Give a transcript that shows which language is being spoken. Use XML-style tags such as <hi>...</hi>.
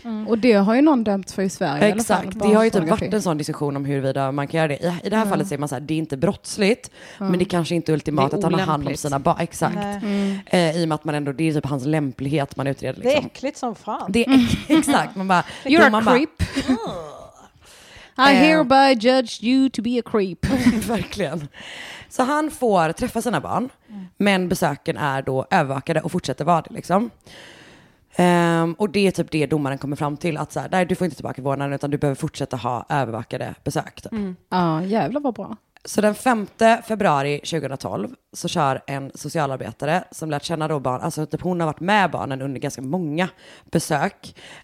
<sv>Och det har ju någon dömt för i Sverige. Exakt, det har ju typ varit en sån diskussion om huruvida man kan göra det. I det här fallet säger man så här, det är inte brottsligt. Men det kanske inte är ultimat är att han har hand om sina barn. Exakt. I och med att man ändå, det är typ hans lämplighet man utreder. Liksom. Det är äckligt som fan. Det är exakt. Man bara,</sv> <en>you're</en> <sv>man</sv> <en>a creep. I hereby judge you to be a creep.</en> <sv>Verkligen. Så han får träffa sina barn. Men besöken är då övervakade och fortsätter vara det liksom. Och det är typ det domaren kommer fram till, att så här, nej, du får inte tillbaka vårdnaden utan du behöver fortsätta ha övervakade besök. Ja, jävlar vad bra. Så den 5 februari 2012 så kör en socialarbetare som lärt känna då barn, alltså typ hon har varit med barnen under ganska många besök.</sv>